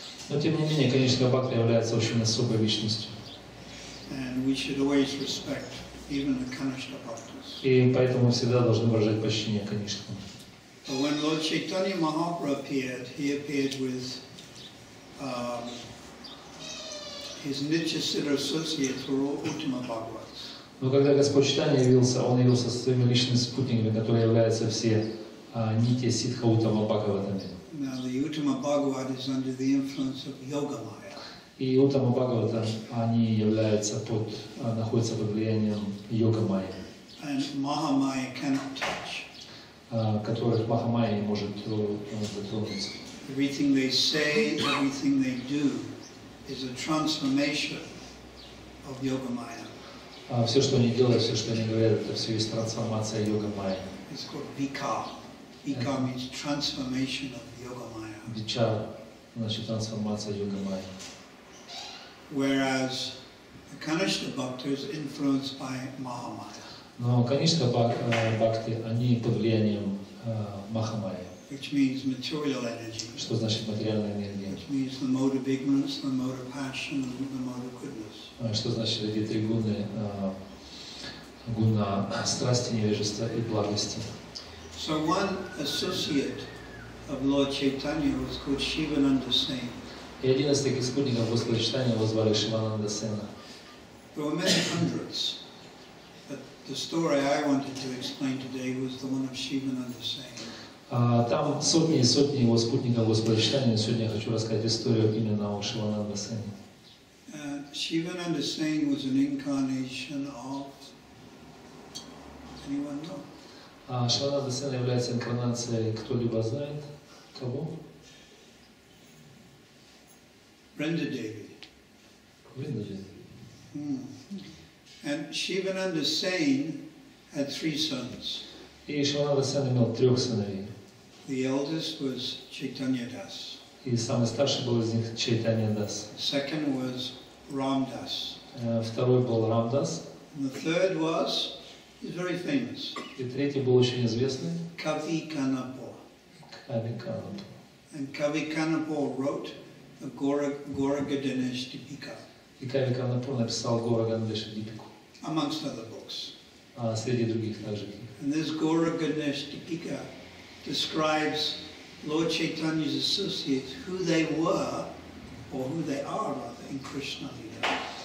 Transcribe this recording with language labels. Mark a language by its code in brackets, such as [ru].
[ru] Но тем не менее, конечно, Бхакта является очень особой личностью. [en] And we should always respect even the Kanishka Bhaktas. [ru] И поэтому всегда должны выражать почтение Канишкам. [en] But when Lord Chaitanya Mahaprabhu appeared, he appeared with his Nityasiddha associates were all Uttama Bhagavats. [ru] Но когда Господь Читания явился, он явился со своими личными спутниками, которые являются все Нити Сиддха Уттама Бхагаватами. [en] Now the Uttama Bhagavat is under the influence of Yoga Maya. [ru] И Уттама Бхагавата, они являются под, находятся под влиянием Йога Майя. [en] And Mahamaya cannot touch. [ru] Которых Mahamaya не может затронуться. [en] Everything they say, everything they do is a transformation of Yoga Maya. [ru] Все, что они делают, все, что они говорят, это все есть трансформация Йога Майя. [en] It's called Vikar. Vikar means transformation of Yoga Maya. [ru] Vichar, значит, трансформация Йога Майя. [en] Whereas the Kanishka Bhakti is influenced by Mahamaya. [ru] Но Kanishka Bhakti, они под влиянием Mahamaya. [en] Which means material energy. [ru] Что значит материальная энергия? [en] Which means the mode of ignorance, the mode of passion, and the mode of goodness. [ru] Что значит эти три гуны, гуна страсти, невежества и благости? [en] So one associate of Lord Chaitanya was called Shivananda Sen. [ru] И один из таких спутников Господа Читания его звали Шивананда Сена. [en] There were many hundreds, but the story I wanted to explain today was the one of Shivananda Sen. [ru] Там сотни и сотни его спутников Господа Читания, но сегодня я хочу рассказать историю именно о Шивананда Сене. [en] Shivananda Sen was an incarnation of... Anyone know? [ru] Шивананда Сен является инкарнацией, кто-либо знает? Кого? [en] Brinda Devi. [ru] Brinda Devi. [en] And Shivananda Sen had three sons. [ru] И Шивананда Сен имел трех сыновей. [en] The eldest was Chaitanya Das. [ru] И самый старший был из них Chaitanya Das. [en] Second was Ram Das. [ru] Второй был Ram Das. [en] And the third was, he's very famous. [ru] И третий был очень известный. [en] Kavi Kanapo. [ru] Kavi Kanapo. [en] And Kavi Kanapo wrote the Gauranga Dinesh Deepika. [ru] И Кави Канапо написал Гауранга Динеш Дипику. [en] Amongst other books. [ru] Среди других также. [en] And this Gauranga Dinesh Deepika describes Lord Chaitanya's associates, who they were, or who they are, rather, in Krishna Lila.